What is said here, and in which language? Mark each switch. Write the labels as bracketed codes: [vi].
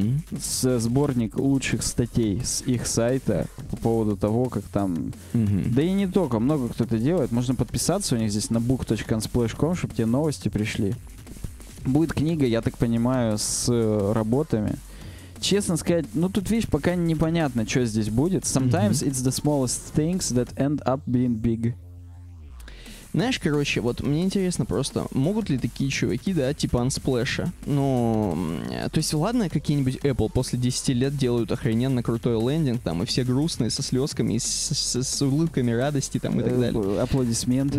[ru] Сборник лучших статей с их сайта по поводу того, как там... Да и не только, много кто это делает. Можно подписаться у них здесь на book.unsplash.com, чтобы тебе новости пришли. Будет книга, я так понимаю, с работами. Честно сказать, ну тут, видишь, пока непонятно, что здесь будет. [en] Sometimes it's the smallest things that end up being big. [ru] Знаешь, короче, вот мне интересно просто, могут ли такие чуваки, да, типа Unsplash'а? Ну, то есть, ладно, какие-нибудь Apple после 10 лет делают охрененно крутой лендинг, там, и все грустные, со слезками, и с улыбками радости, там, и так далее. Аплодисменты.